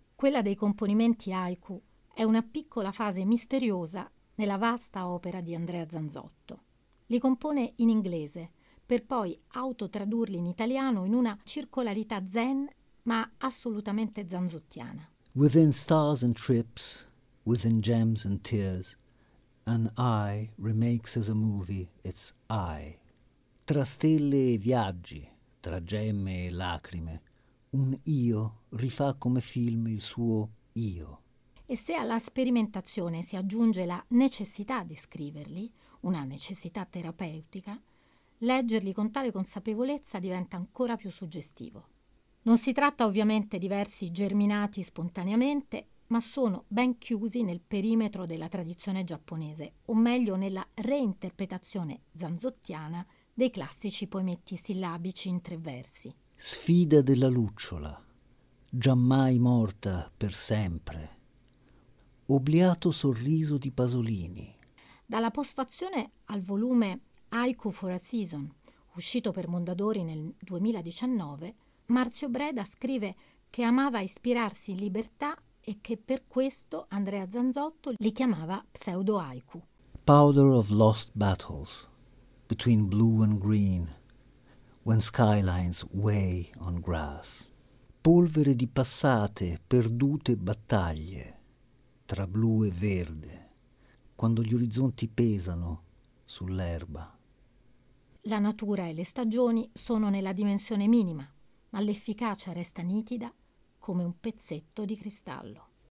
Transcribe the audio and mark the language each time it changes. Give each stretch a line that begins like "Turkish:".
Italian: Quella dei componimenti haiku è una piccola fase misteriosa nella vasta opera di Andrea Zanzotto. Li compone in inglese, per poi autotradurli in italiano in una circolarità zen, ma assolutamente zanzottiana.
English: Within stars and trips, within gems and tears, an eye remakes as a movie its eye.
Italian: Tra stelle e viaggi, tra gemme e lacrime, un io rifà come film il suo io. E se alla sperimentazione si aggiunge la necessità di scriverli, una necessità terapeutica, leggerli con tale consapevolezza diventa ancora più suggestivo. Non si tratta ovviamente di versi germinati spontaneamente, ma sono ben chiusi nel perimetro della tradizione giapponese, o meglio nella reinterpretazione zanzottiana dei classici poemetti sillabici in tre versi. Sfida della lucciola, giammai morta per sempre. Obliato sorriso di Pasolini. Dalla postfazione al volume Haiku for a Season, uscito per Mondadori nel 2019, Marzio Breda scrive che amava ispirarsi in libertà e che per questo Andrea Zanzotto li chiamava pseudo-haiku.
English: Powder of lost battles, between blue and green. When skylines weigh on grass.
Italian: Polvere di passate, perdute battaglie, tra blu e verde, quando gli orizzonti pesano sull'erba. La natura e le stagioni sono nella dimensione minima, ma l'efficacia resta nitida come un pezzetto di cristallo.